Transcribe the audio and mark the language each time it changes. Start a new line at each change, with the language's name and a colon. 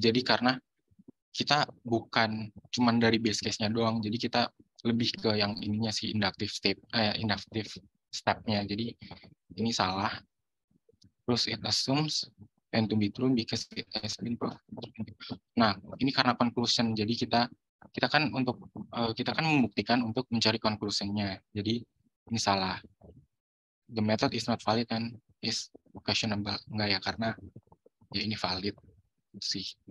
Indonesian: Jadi karena kita bukan cuma dari base case-nya doang, jadi kita lebih ke yang ininya sih, inductive step-nya. Jadi ini salah. Terus
English: it assumes and to be true because it has been proved.
Indonesian: Nah, ini karena conclusion, jadi kita kan membuktikan untuk mencari conclusion-nya. Jadi ini salah.
English: The method is not valid and is questionable.
Indonesian: Enggak ya, karena ya ini valid. sih.